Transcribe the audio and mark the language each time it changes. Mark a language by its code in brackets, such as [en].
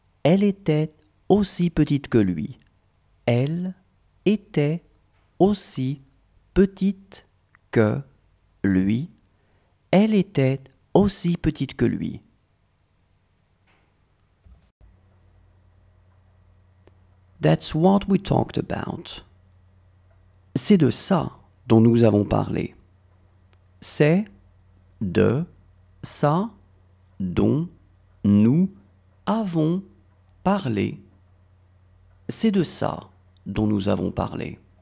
[fr] Elle était aussi petite que lui. Elle était aussi petite que lui. Elle était aussi petite que lui. [en] That's what we talked about. [fr] C'est de ça dont nous avons parlé. C'est de ça dont nous avons parlé. C'est de ça dont nous avons parlé.